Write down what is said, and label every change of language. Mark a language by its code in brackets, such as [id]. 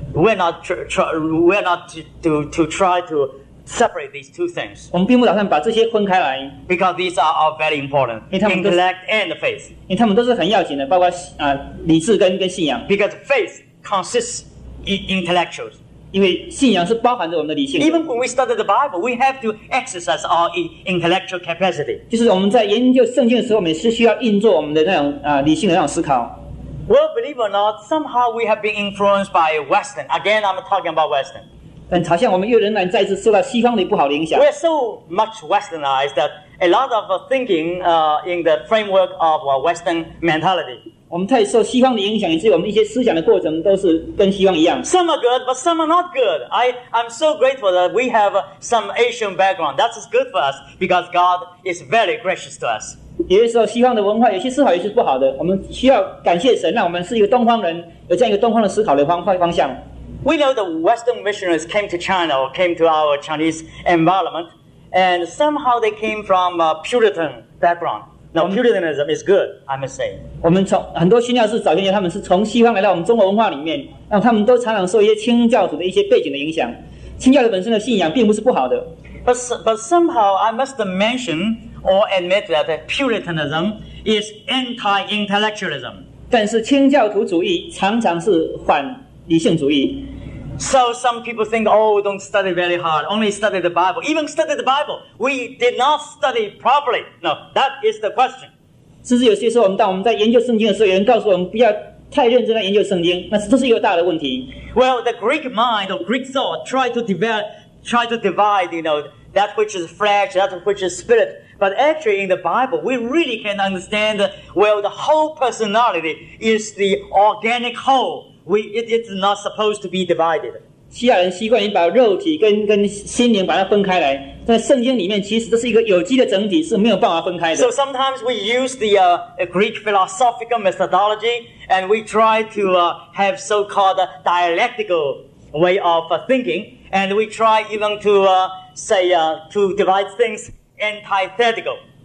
[en] We are not to try to separate these two things. [zh] 我们并不打算把这些分开来, [en] because these are all very important. [zh] 因为他们都, [en] intellect and faith. [zh] 因为他们都是很要紧的, 包括, 理智跟信仰。 [en] Because faith consists in intellectuals. [zh] 因为信仰是包含着我们的理性的。 [en] Even when we study the Bible, we have to exercise our intellectual capacity. [zh] 就是我们在研究圣经的时候，我们是需要运作我们的那种, 理性的那种思考。 [en] Well, believe it or not, somehow we have been influenced by Western. Again, I'm talking about Western. [zh] 但好像我们又仍然再次受到西方的不好的影响。 [en] We're so much Westernized that a lot of thinking in the framework of Western mentality. [zh] 我们太受西方的影响，以至于我们一些思想的过程都是跟西方一样。 [en] Some are good, but some are not good. I'm so grateful that we have some Asian background. That's good for us because God is very gracious to us. [zh] 有些时候西方的文化有些是好，有些不好的。我们需要感谢神，让我们是一个东方人，有这样一个东方的思考的方向。 [en] We know the Western missionaries came to China or came to our Chinese environment, and somehow they came from a Puritan background. Now Puritanism is good, I must say. [zh] 我们从很多新教士早先他们是从西方来到我们中国文化里面，那他们都常常受一些清教徒的一些背景的影响。清教徒本身的信仰并不是不好的。 [en] But somehow I must mention or admit that Puritanism is anti-intellectualism. [zh] 但是清教徒主义常常是反理性主义。 [en] So some people think, oh, don't study very hard, only study the Bible. Even study the Bible, we did not study properly. No, that is the question. [zh] 甚至有些时候，当我们在研究圣经的时候，有人告诉我们不要太认真地研究圣经，那这是一个大的问题。 [en] Well, the Greek mind or Greek thought tried to divide, you know, that which is flesh, that which is spirit. But actually, in the Bible, we really can understand, well, the whole personality is the organic whole. It's not supposed to be divided. [zh] 希腊人习惯于把肉体 跟心灵把它分开来，在圣经里面其实这是一个有机的整体，是没有办法分开的。 [en] So sometimes we use the Greek philosophical methodology, and we try to have so-called dialectical way of thinking, and we try even to to divide things antithetical.